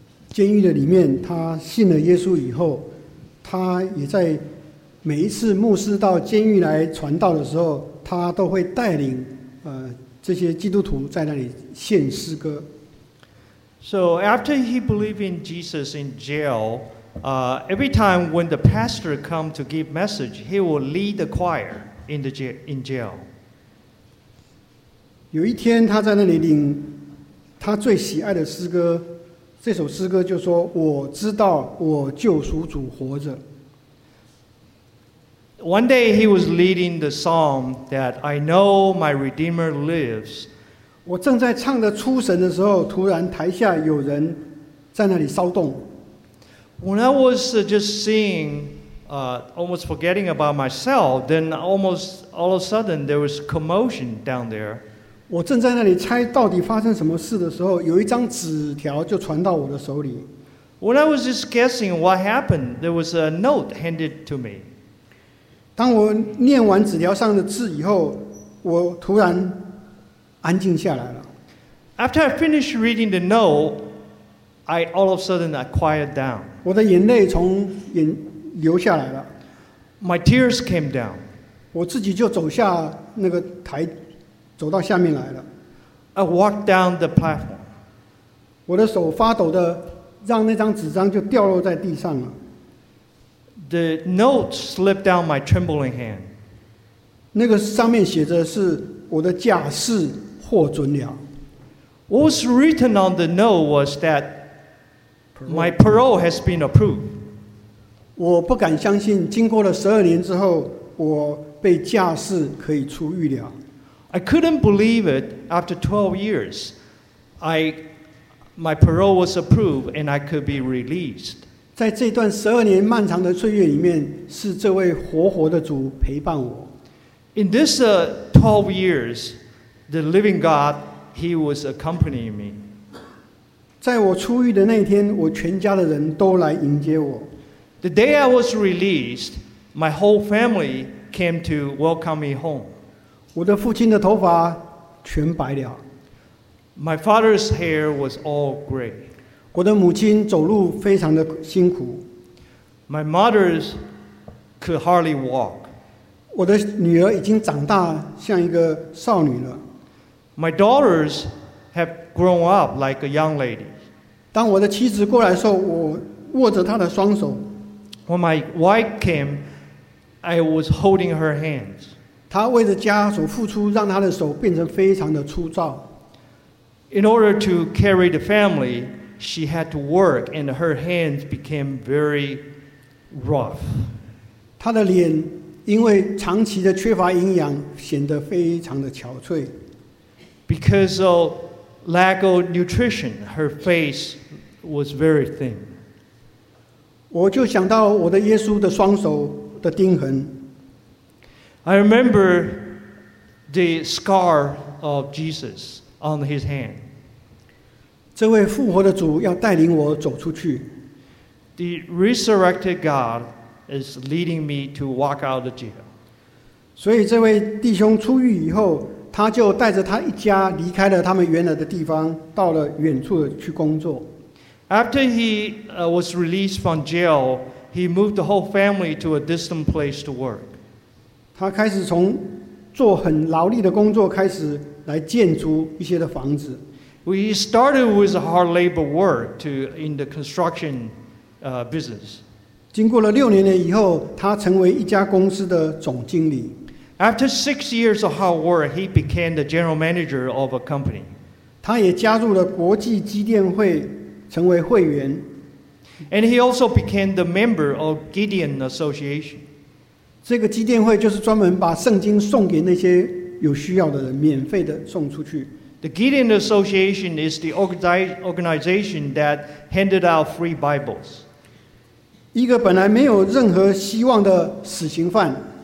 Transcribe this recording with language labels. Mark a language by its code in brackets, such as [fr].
[zh] 监狱的里面，他信了耶稣以后，他也在每一次牧师到监狱来传道的时候，他都会带领这些基督徒在那里献诗歌。 [en] So after he believed in Jesus in jail, every time when the pastor come to give message, he will lead the choir in jail. [zh] 有一天他在那里领他最喜爱的诗歌，这首诗歌就说，我知道我救赎主活着。 [en] One day he was leading the psalm that I know my Redeemer lives. [zh] 我正在唱着出神的时候，突然台下有人在那里骚动。 [en] When I was just singing, almost forgetting about myself, then almost all of a sudden there was commotion down there. [zh] 我正在那里猜到底发生什么事的时候，有一张纸条就传到我的手里。 [en] When I was just guessing what happened, there was a note handed to me. [zh] 当我念完纸条上的字以后，我突然安静下来了。 [en] After I finished reading the note, I all of a sudden I quieted down. [zh] 我的眼泪从眼流下来了。 [en] My tears came down. [zh] 我自己就走下那个台。走到下面来了。 [en] I walked down the platform. [zh] 我的手发抖的，让那张纸张就掉落在地上了。 [en] The note slipped down my trembling hand. [zh] 那个上面写着是我的假释获准了。 [en] What was written on the note was that my parole has been approved. [zh] 我不敢相信，经过了12年之后，我被假释可以出狱了。 [en] I couldn't believe it. After 12 years, my parole was approved, and I could be released. [zh] 在这段十二年漫长的岁月里面，是这位活活的主陪伴我。 [en] In this 12 years, the living God, He was accompanying me. [zh] 在我出狱的那天，我全家的人都来迎接我。 [en] The day I was released, my whole family came to welcome me home. [zh] 我的父亲的头发全白了。 [en] My father's hair was all gray. [zh] 我的母亲走路非常的辛苦。 [en] My mother could hardly walk. [zh] 我的女儿已经长大，像一个少女了。 [en] My daughters have grown up like a young lady. [zh] 当我的妻子过来的时候，我握着她的双手。 [en] When my wife came, I was holding her hands. [zh] 他为了家所付出，让他的手变成非常的粗糙。 [en] In order to carry the family, she had to work, and her hands became very rough. [zh] 他的脸因为长期的缺乏营养，显得非常的憔悴。 [en] Because of lack of nutrition, her face was very thin. [zh] 我就想到我的耶稣的双手的钉痕。 [en] I remember the scar of Jesus on his hand. [zh] 这位复活的主要带领我走出去。 [en] The resurrected God is leading me to walk out of the jail. [zh] 所以这位弟兄出狱以后，他就带着他一家离开了他们原来的地方，到了远处去工作。 [en] After he was released from jail, he moved the whole family to a distant place to work. [zh] 他开始从做很劳力的工作开始来建筑一些的房子。 [en] We started with hard labor work to in the construction business. [zh] 经过了6年了以后，他成为一家公司的总经理。 [en] After 6 years of hard work, he became the general manager of a company. [zh] 他也加入了国际基甸会，成为会员。 [en] And he also became the member of Gideon Association. [zh] 这个基甸会就是专门把圣经送给那些有需要的人，免费的送出去。 [en] The Gideon Association is the organization that handed out free Bibles. [zh] 一个本来没有任何希望的死刑犯。